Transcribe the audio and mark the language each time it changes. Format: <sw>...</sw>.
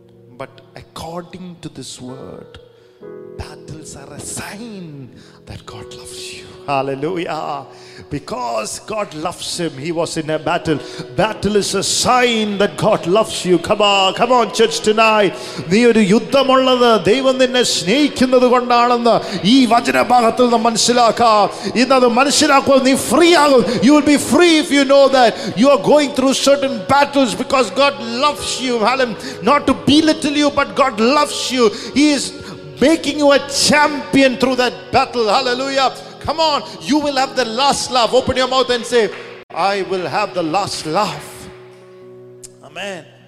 <en>But according to this word, battles are a sign that God loves you. Hallelujah. Because God loves him, he was in a battle. Battle is a sign that God loves you. Come on, church tonight.</en> <ml>നീ ഒരു യുദ്ധമുള്ളത് ദൈവം നിന്നെ സ്നേഹിക്കുന്നത് കൊണ്ടാണെന്ന് ഈ വചനഭാഗത്തിൽ നിന്ന് മനസ്സിലാക്കാം. ഇന്ന് അത് മനസ്സിലാക്കുക, നീ ഫ്രീ ആകും.</ml> <en>You will be free if you know that you are going through certain battles because God loves you. Hallelujah. Not to belittle you, but God loves you. He is making you a champion through that battle. Hallelujah. Come on. You will have the last laugh. Open your mouth and say, I will have the last laugh. Amen.</en>